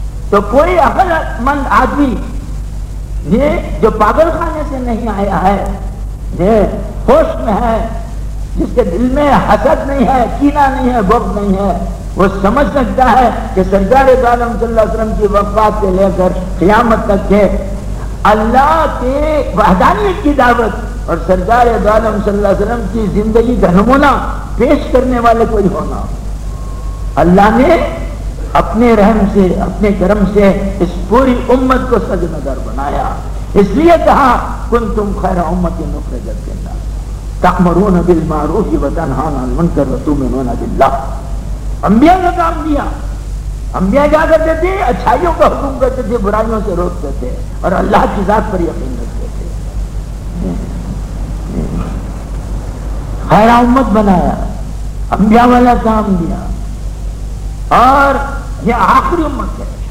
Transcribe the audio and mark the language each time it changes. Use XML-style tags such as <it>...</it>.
<ur>تو کوئی عقل مند آدمی یہ جو پاگل خانے سے نہیں آیا ہے, یہ ہوش میں ہے, جس کے دل میں حسد نہیں ہے, کینہ نہیں ہے, بغض نہیں ہے, وہ سمجھ سکتا ہے کہ سرکار عالم صلی اللہ علیہ وسلم کی وفات سے لے کر قیامت تک کے اللہ کے وحدانیت کی دعوت اور سرکار عالم صلی اللہ علیہ وسلم کی زندگی کا نمونہ پیش کرنے والے کوئی ہونا. اللہ نے اپنے رحم سے, اپنے کرم سے اس پوری امت کو سجنگر بنایا. اس لیے کہا</ur> <ar>کنتم خیر امت اخرجت للناس تأمرون بالمعروف وتنهون عن المنکر وتؤمنون بالله.</ar> <ur>انبیاء نے کام دیا, انبیاء جا کرتے تھے, اچھائیوں کا حکم کرتے تھے, برائیوں سے روکتے تھے, اور اللہ کی ذات پر یقین رکھتے تھے. خیر امت بنایا, انبیاء والا کام دیا, اور یہ آخری امت ہے.</ur>